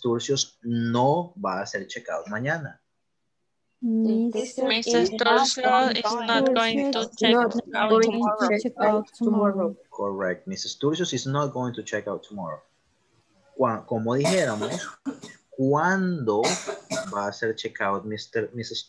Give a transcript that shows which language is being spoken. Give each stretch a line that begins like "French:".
Spanish: Turcios no va a hacer check out mañana.
English: Mrs. Turcios is not going to check out tomorrow. Correct. Mrs. Turcios is not going to check out tomorrow.
Spanish: Como dijéramos, ¿cuándo va a hacer check out Mrs.